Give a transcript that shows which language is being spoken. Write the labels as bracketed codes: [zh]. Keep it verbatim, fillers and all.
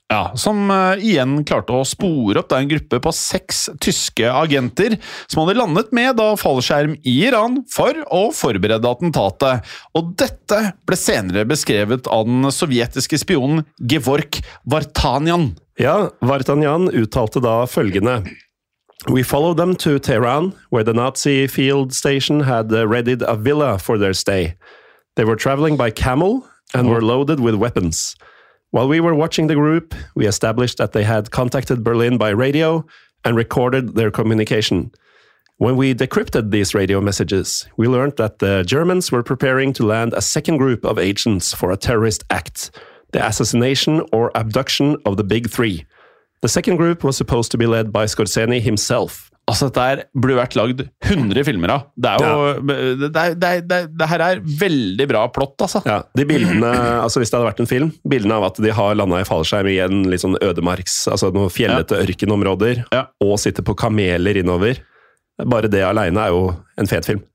[no] Ja, som uh, igjen klarte å spore opp da en gruppe på seks tyske agenter som hadde landet med da fallskjerm i Iran for å forberede attentatet. Og dette ble senere beskrevet av den sovjetiske spionen Gevorg Vartanian. Ja, Vartanian uttalte da følgende: [en] We followed them to Tehran, where the Nazi field station had readied a villa for their stay. They were traveling by camel and were loaded with weapons. While we were watching the group, we established that they had contacted Berlin by radio and recorded their communication. When we decrypted these radio messages, we learned that the Germans were preparing to land a second group of agents for a terrorist act. The assassination or abduction of the big three. The second group was supposed to be led by Scorsese himself. [no] Altså, dette her burde vært lagd hundre filmer av. Det er jo, ja. det, det, det, det her er veldig bra plott, altså. Ja, de bildene, altså hvis det hadde vært en film, bildene av at de har landet i fallskjerm i en litt sånn ødemarks, altså noen fjellete ja. ørkenområder, ja. og sitter på kameler innover. Bare det alene er jo en fet film.